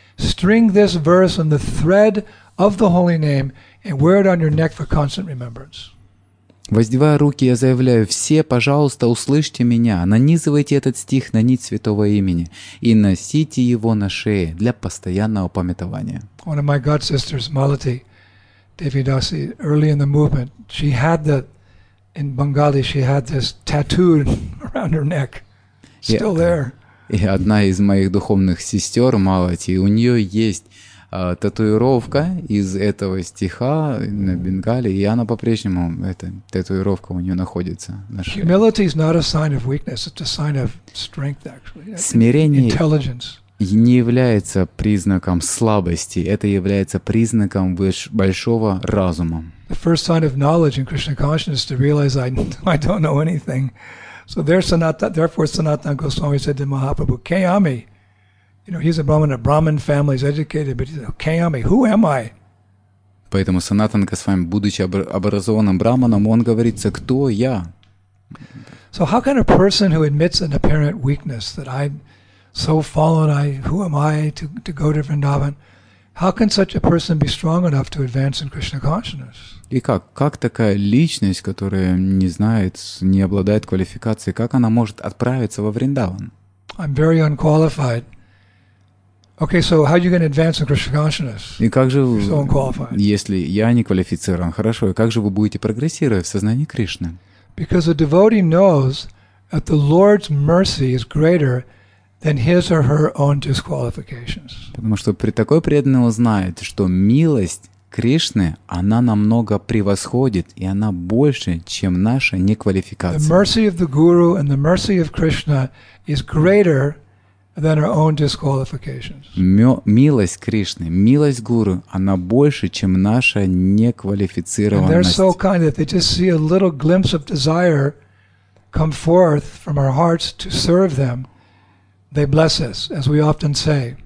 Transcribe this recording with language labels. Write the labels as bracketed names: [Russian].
[English] String this verse on the thread of the holy name and wear it on your neck for constant remembrance." [Russian] Воздевая руки, я заявляю, все, пожалуйста, услышьте меня. Нанизывайте этот стих на нить святого имени и носите его на шее для постоянного памятования. [English] One of my god sisters, Malati Devidasi, early in the movement, she had that, in Bengali, she had this tattooed around her neck, still there. [Russian] И одна из моих духовных сестер, Малати, у нее есть татуировка из этого стиха на Бенгали, и она по-прежнему, эта татуировка у нее находится. [English] Humility is not a sign of weakness, it's a sign of strength, actually, intelligence. [Russian] Не является признаком слабости, это является признаком большого разума. [English] The first sign of knowledge in Krishna consciousness is to realize I don't know anything. So therefore Sanatana Goswami said to Mahaprabhu, "Kayami, you know, he's a Brahmin, a Brahmin family, he's educated, but he said, Kayami, who am I?" [Russian] Поэтому Санатана Госвами, будучи образованным браманом, он говорит: "Кто я?" [English] So how can a person who admits an apparent weakness that I, who am I to go to Vrindavan? How can such a person be strong enough to advance in Krishna consciousness? [Russian] И как такая личность, которая не знает, не обладает квалификацией, как она может отправиться во Вриндаван? [English] I'm very unqualified. Okay, so how are you going to advance in Krishna consciousness? [Russian] И как же вы, [English] so unqualified. [Russian] Если я не квалифицирован, хорошо, как же вы будете прогрессировать в сознании Кришны? [English] Because a devotee knows that the Lord's mercy is greater than his or her own disqualifications. [Russian] Потому что при такой преданный узнает, что милость Кришны, она намного превосходит, и она больше, чем наша неквалификация. [English] The mercy of the Guru and the mercy of Krishna is greater than our own disqualifications. [Russian] Милость Кришны, милость Гуру, она больше, чем наша неквалифицированность. [English] And they're so kind that they just see a little glimpse of desire come forth from our hearts to serve them, they bless us, as we often say.